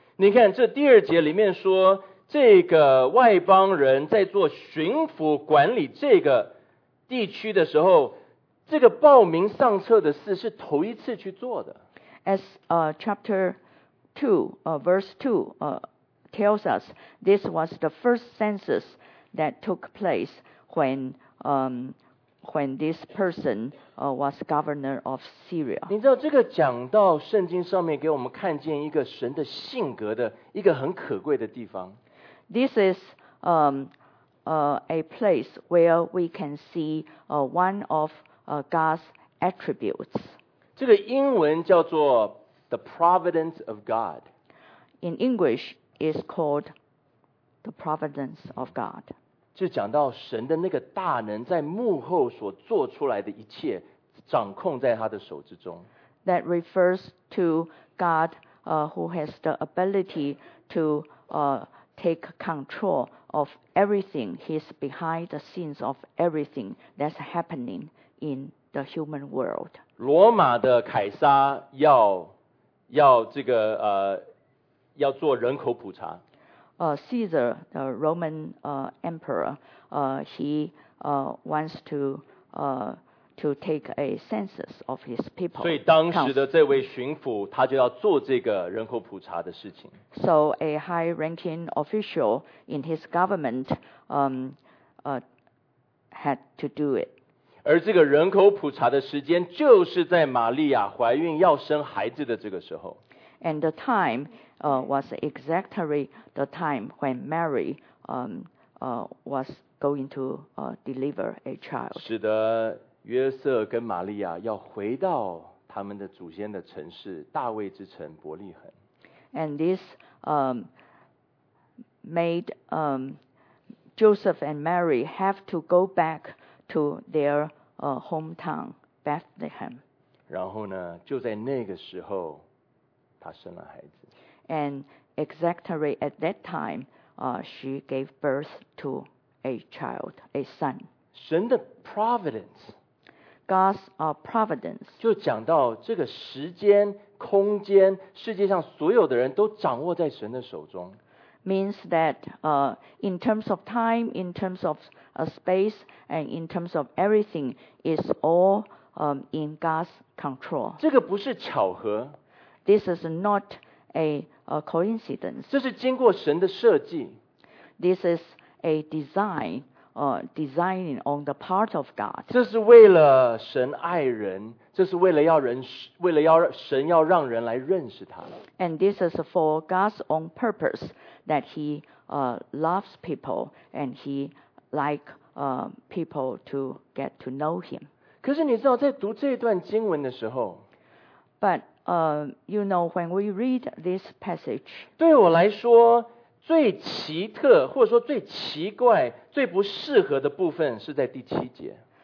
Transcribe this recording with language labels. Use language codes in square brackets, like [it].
[zh] 你看这第二节里面说，这个外邦人在做巡抚管理这个地区的时候，这个报名上册的事是头一次去做的。 [en] As chapter 2, verse 2, tells us this was the first census that took place when when this person was governor of Syria. [zh] 你知道这个讲到圣经上面给我们看见一个神的性格的一个很可贵的地方。 [en] This is a place where we can see one of God's attributes. [zh] 这个英文叫做 [en] the providence of God. In English, it's called the providence of God. [zh] 就讲到神的那个大能在幕后所做出来的一切掌控在他的手之中。 [en] That refers to God, who has the ability to, take control of everything. He's behind the scenes of everything that's happening in the human world. [zh] 罗马的凯撒要做人口普查。 [en] Caesar, the Roman emperor, wants to take a census of his people. [zh] 所以当时的这位巡抚他就要做这个人口普查的事情。 [en] So a high-ranking official in his government had to do it. [zh] 而这个人口普查的时间就是在玛利亚怀孕要生孩子的这个时候。 [en] And the time was exactly the time when Mary was going to deliver a child. [zh] 使得约瑟跟玛利亚要回到他们的祖先的城市大卫之城伯利恒。 [en] And this made Joseph and Mary have to go back to their hometown Bethlehem. [zh] 然后呢，就在那个时候。她生了孩子。 [en] And exactly at that time, she gave birth to a child, a son. [zh] 神的 providence, [en] God's providence, [zh] 就讲到这个时间、空间、世界上所有的人都掌握在神的手中。 [en] Means that, in terms of time, in terms of space, and in terms of everything, is all in God's control. [zh] 这个不是巧合。 [en] This is not a coincidence. [zh] 这是经过神的设计。 [en] This is a design, designing on the part of God. [zh] 这是为了神爱人，这是为了要人，为了要神要让人来认识他。 [en] And this is for God's own purpose that He loves people and He like people to get to know Him. [zh] 可是你知道，在读这段经文的时候 [en] ，But you know, when we read this passage, [zh] 对我来说最奇特或者说最奇怪最不适合的部分是在第七节。